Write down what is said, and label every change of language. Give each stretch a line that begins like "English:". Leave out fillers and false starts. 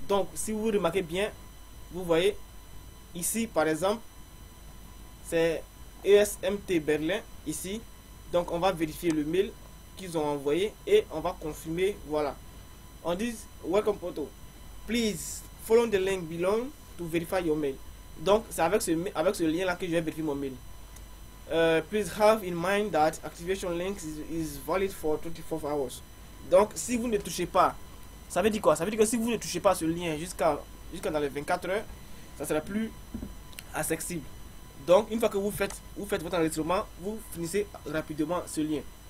French: Donc, si vous remarquez bien. Vous voyez ici par exemple c'est ESMT Berlin ici, donc on va vérifier le mail qu'ils ont envoyé et on va confirmer. Voilà, on dit
English: welcome photo, please follow the link below to verify your mail.
French: Donc c'est avec ce lien là que je vais vérifier mon mail.
English: Please have in mind that activation link is valid for 24 hours.
French: Donc si vous ne touchez pas, ça veut dire quoi? Ça veut dire que si vous ne touchez pas ce lien jusqu'à dans les 24 heures, ça sera plus accessible. Donc, une fois que vous faites votre enregistrement, vous finissez rapidement ce lien.